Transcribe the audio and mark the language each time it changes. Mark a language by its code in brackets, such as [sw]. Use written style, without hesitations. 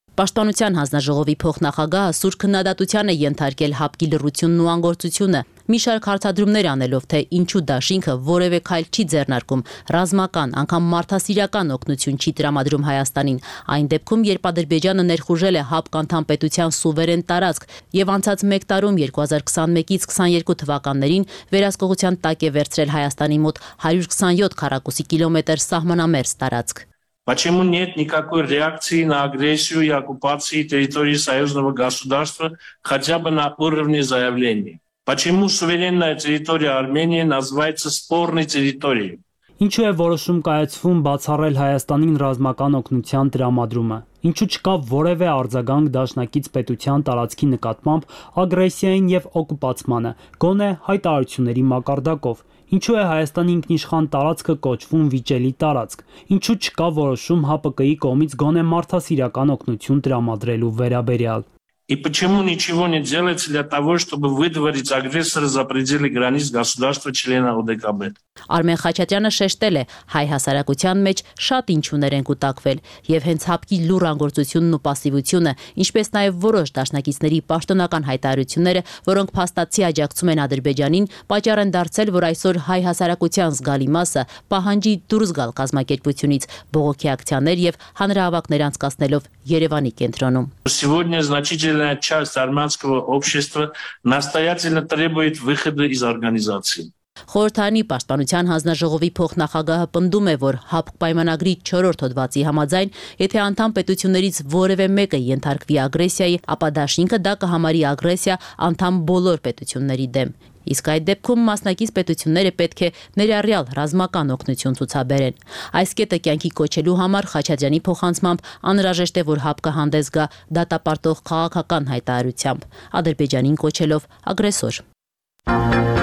[hy] Պաշտպանության հանձնաժողովի փոխնախագահը սուրբ քննադատության է ենթարկել Հապկի լռությունն ու անգործությունը, մի շարք հարցադրումներ անելով, թե ինչու դաշինքը որևէ քայլ չի ձեռնարկում, ռազմական, անգամ մարդասիրական օգնություն չի տրամադրում Հայաստանին, այն դեպքում, երբ Ադրբեջանը ներխուժել է Հապկանթան պետության սուվերեն տարածք և անցած մեկ տարում 2021-ից 22 թվականներին վերահսկողության տակ է վերցրել Հայաստանի մոտ 127 քառակուսի կիլոմետր սահմանամերձ տարածք։ [ru] Почему нет никакой реакции на агрессию и оккупации территории союзного государства хотя бы на уровне заявлений? Почему суверенная территория Армении называется спорной территорией? [hy] Ինչու է որոշում կայացվում բացառել Հայաստանին ռազմական օգնության դրամադրումը։ Ինչու չկա որևէ արձագանք դաշնակից պետության տարածքի նկատմամբ ագրեսիային և օկուպացմանը, գոնե հայտարարությունների մակարդակով։ Ինչու է Հայաստանի ինքնիշխան տարածքը կոչվում վիճելի տարածք։ Ինչու չկա որոշում ՀԱՊԿ-ի կողմից գոնե մարդասիրական օգնություն դրամադրելու վերաբերյալ։ [ru] И почему ничего не делается для того, чтобы выдворить агрессора за пределы границ государства члена ОДКБ? [hy] Արմեն Խաչատյանը շեշտել է, հայ հասարակության մեջ շատ ինչ ուներեն կուտակվել, եւ հենց հապկի լուրջ անգործությունն ու պասիվությունը, ինչպես նաեւ որոշ դաշնակիցների պաշտոնական հայտարարությունները, որոնք փաստացի աջակցում են Ադրբեջանին, պատճառ են դարձել, որ այսօր հայ հասարակության զգալի մասը պահանջի դուրս գալ կազմակերպությունից, բողոքի ակցիաներ եւ հանրահավաքներ անցկացնելով Երևանի կենտրոնում։ [ru] Сегодня значительная часть армянского общества настоятельно требует выхода из организации. [hy] Խորհրդարանի պաշտպանության հանձնաժողովի փոխնախագահը պնդում է, որ ՀԱՊԿ պայմանագրի 4-րդ հոդվածի համաձայն, եթե անդամ պետություններից որևէ մեկը ենթարկվի ագրեսիայի, ապա դաշինքը դա կհամարի ագրեսիա անդամ բոլոր պետությունների դեմ։ Իսկ այդ դեպքում մասնակից պետությունները պետք է ներառյալ ռազմական օգնություն ցուցաբերեն։ Այս կետը կյանքի կոչելու համար Խաչատյանի փոխանցմամբ անհրաժեշտ է, որ ՀԱՊԿ-ը հանդես գա դատապարտող քաղաքական հայտարարությամբ, Ադրբեջանին կոչելով ագրեսոր։